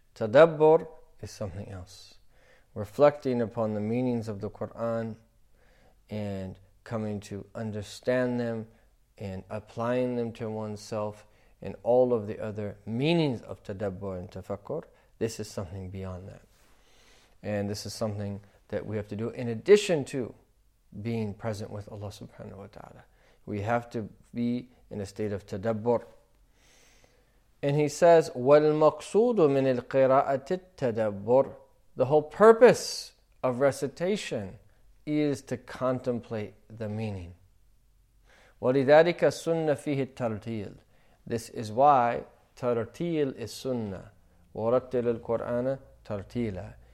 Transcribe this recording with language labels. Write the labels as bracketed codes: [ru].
[en] Tadabbur is something else. Reflecting upon the meanings of the Qur'an and coming to understand them and applying them to oneself and all of the other meanings of tadabbur and tafakkur, this is something beyond that. And this is something that we have to do in addition to being present with Allah subhanahu wa ta'ala. We have to be in a state of tadabbur. And he says, [ar] وَالْمَقْصُودُ مِنِ الْقِرَاءَةِ التَّدَبُّرِ. [en] The whole purpose of recitation is to contemplate the meaning. [ar] وَلِذَٰلِكَ سُنَّ فِيهِ التَّرْتِيلِ. [en] This is why tartil is sunnah. [ar] وَرَتِّلِ الْقُرْآنَ تَرْتِيلًا.